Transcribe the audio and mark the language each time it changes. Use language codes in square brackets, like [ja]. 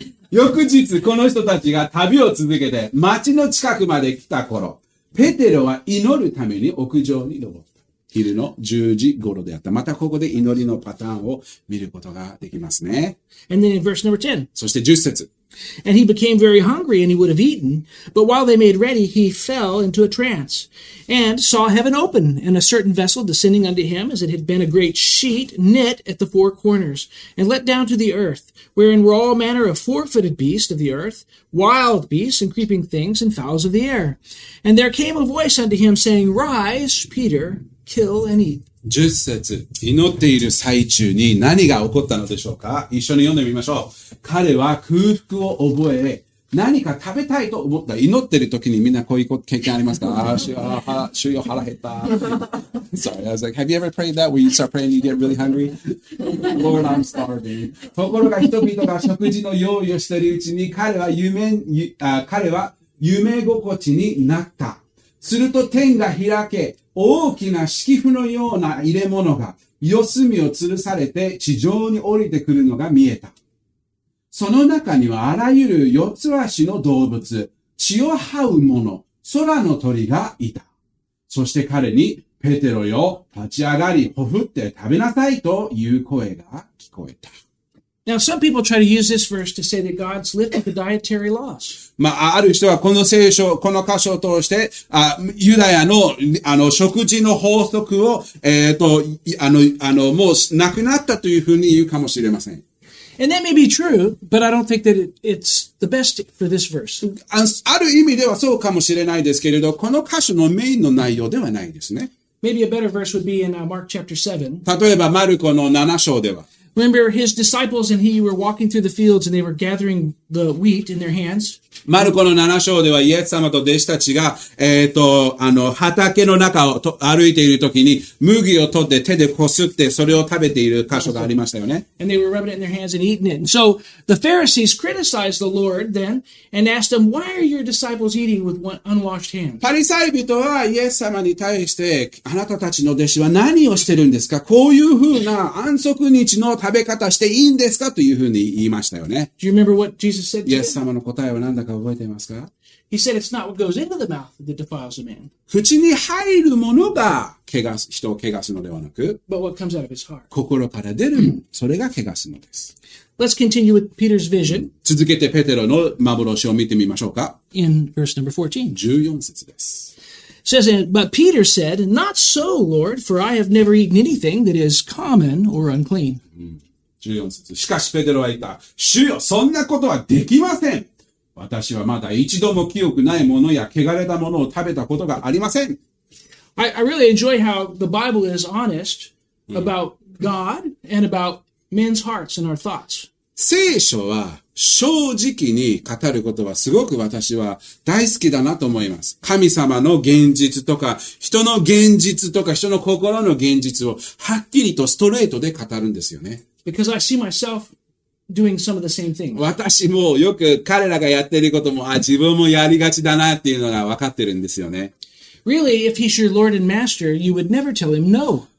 [ja] 翌日、この人たちが旅を続けて町の近くまで来た頃、ペテロは祈るために屋上に登った。昼の10時頃であった。またここで祈りのパターンを見ることができますね。 [en] And then in verse number 10. [ja] そして10節。 [en] And he became very hungry and he would have eaten, but while they made ready, he fell into a trance and saw heaven open and a certain vessel descending unto him as it had been a great sheet knit at the four corners and let down to the earth, wherein were all manner of four-footed beasts of the earth, wild beasts and creeping things and fowls of the air. And there came a voice unto him saying, Rise, Peter, kill and eat. [ja] 10節、祈っている最中に何が起こったのでしょうか？一緒に読んでみましょう。彼は空腹を覚え、何か食べたいと思った。祈ってる時にみんなこういう経験ありますか？ああ、主よ腹減った。 [en] Sorry, I was like, have you ever prayed that? Where you start praying and you get really hungry? Lord, I'm starving. [ja] ところが人々が食事の用意をしているうちに彼は夢心地になった。すると天が開け、大きな敷布のような入れ物が四隅を吊るされて地上に降りてくるのが見えた。その中にはあらゆる四つ足の動物、血を這うもの、空の鳥がいた。そして彼に、ペテロよ、立ち上がり、ほふって食べなさいという声が聞こえた。 [en] Now, some people try to use this verse to say that God's lifted the dietary laws. [ja] まあ、ある人はこの聖書、この箇所を通して、ユダヤの、食事の法則を、もうなくなったというふうに言うかもしれません。 [en] And that may be true, but I don't think that it's the best for this verse. [ja] ある意味ではそうかもしれないですけれど、この箇所のメインの内容ではないですね。 [en] Maybe a better verse would be in Mark chapter 7. [ja] 例えば、マルコの7章では。 [en] Remember his disciples and he were walking through the fields and they were gathering the wheat in their hands. [ja] マルコの7章ではイエス様と弟子たちが、畑の中を歩いているときに麦を取って手でこすってそれを食べている箇所がありましたよね。 [en] And they were rubbing it in their hands and eating it. And so the Pharisees criticized the Lord then and asked him, why are your disciples eating with unwashed hands? [ja] パリサイ人はイエス様に対してあなたたちの弟子は何をしてるんですか？こういうふうな安息日の食べ方していいんですかというふうに言いましたよね。 [en] Do you remember what Jesus said to [ja] you? イエス様の答えは何だか覚えていますか？ [en] He said it's not what goes into the mouth that defiles a man. [ja] 口に入るものが人を汚すのではなく、 [en] But what comes out of his heart. [ja] 心から出るもの、それが汚すのです。 [en] Let's continue with Peter's vision. [ja] 続けてペテロの幻を見てみましょうか。 [en] In verse number 14. [ja] 14節です。 [en] Says, but Peter said, Not so, Lord, for I have never eaten anything that is common or unclean. [ja] 14節。しかしペテロは言った。主よ、そんなことはできません。私はまだ一度も清くないものや汚れたものを食べたことがありません。 [en] I really enjoy how the Bible is honest about God and about men's hearts and our thoughts. [ja] 聖書は正直に語ることはすごく私は大好きだなと思います。神様の現実とか、人の現実とか、人の心の現実をはっきりとストレートで語るんですよね。 [en] Because I see myself doing some of the same things. [ja] 私もよく彼らがやっていることも、自分もやりがちだなっていうのがわかってるんですよね。 [en] Really, if he's your Lord and Master, you would never tell him no.